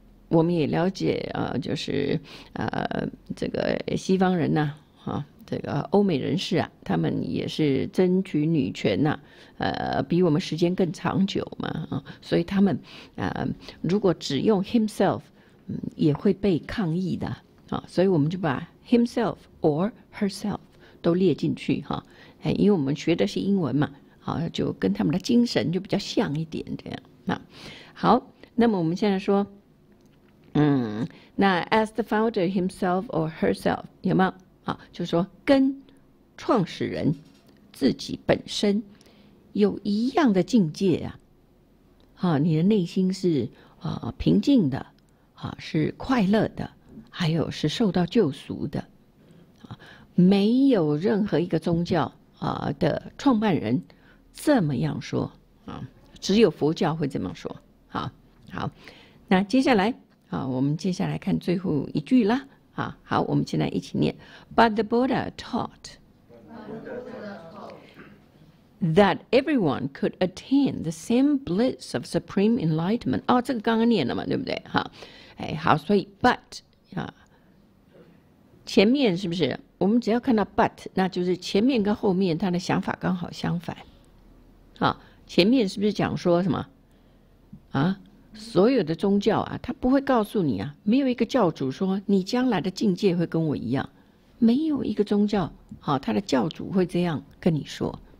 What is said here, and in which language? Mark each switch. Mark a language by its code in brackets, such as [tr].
[zh] 我们也了解，就是，这个西方人呐，啊，这个欧美人士啊，他们也是争取女权呐，比我们时间更长久嘛，啊，所以他们，如果只用 himself， 也会被抗议的，啊，所以我们就把 [en] himself or herself [zh] 都列进去哈，啊，因为我们学的是英文嘛，啊，就跟他们的精神就比较像一点这样，啊，好，那么我们现在说。那 [en] as the founder himself or herself [zh] 有没有啊？就是说跟创始人自己本身有一样的境界啊，啊，你的内心是平静的，啊，是快乐的，还有是受到救赎的，啊，没有任何一个宗教的创办人这么样说啊，只有佛教会这么说啊。好，那接下来。好，我们接下来看最后一句啦。好，我们现在一起念。 [en] But the Buddha taught that everyone could attain the same bliss of supreme enlightenment. [zh] 哦，这个刚刚念了嘛，对不对？哈，哎，好，所以 but 啊，前面是不是？我们只要看到 but， 那就是前面跟后面他的想法刚好相反。啊，前面是不是讲说什么？啊？所有的宗教啊，他不会告诉你啊，没有一个教主说你将来的境界会跟我一样，没有一个宗教好，他的教主会这样跟你说。